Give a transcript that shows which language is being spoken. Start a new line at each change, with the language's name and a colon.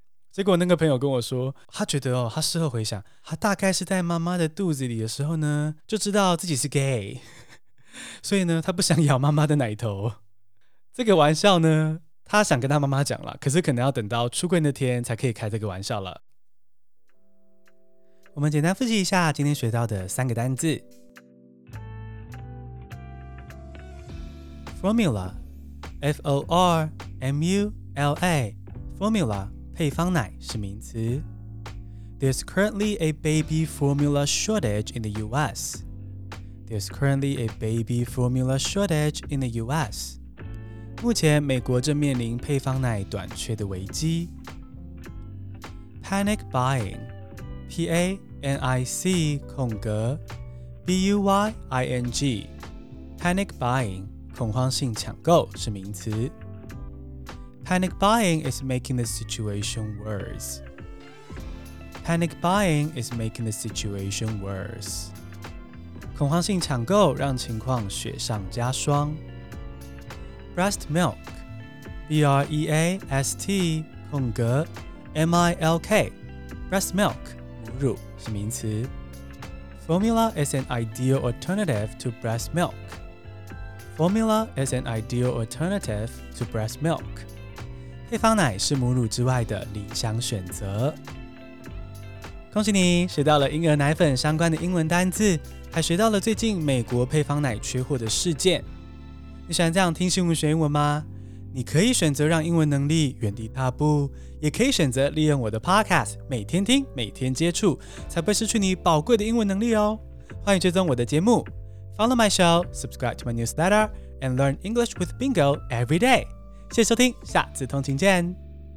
Chinese: 结果那个朋友跟我说，他觉得哦，他事后回想，他大概是在妈妈的肚子里的时候呢，就知道自己是 gay， 所以呢，他不想咬妈妈的奶头。这个玩笑呢，他想跟他妈妈讲了，可是可能要等到出柜那天才可以开这个玩笑了。我们简单复习一下今天学到的三个单字 ：formula， F O R M U L A， formula。配方奶是名词。
English: There's currently a baby formula shortage in the US. There's currently a baby formula shortage in the US.
Chinese: 目前美国正面临配方奶短缺的危机。 Panic buying， P-A-N-I-C:BUYING， Panic buying， 恐慌性抢购是名词。
English: Panic buying is making the situation worse. Panic buying is making the situation worse.
Chinese: 恐慌性抢购让情况雪上加霜。 Breast milk, B-R-E-A-S-T:MILK, breast milk, 母乳是名词。
English: Formula is an ideal alternative to breast milk. Formula is an ideal alternative to breast milk.
Chinese: 配方奶是母乳之外的理想选择。恭喜你学到了婴儿奶粉相关的英文单字，还学到了最近美国配方奶缺货的事件。你喜欢这样听新闻学英文吗？你可以选择让英文能力原地踏步，也可以选择利用我的 podcast 每天听每天接触，才不会失去你宝贵的英文能力哦。欢迎追踪我的节目，
English: Follow my show, subscribe to my newsletter, and learn English with Bingo every day.
Chinese: 谢谢收听，下次通勤见。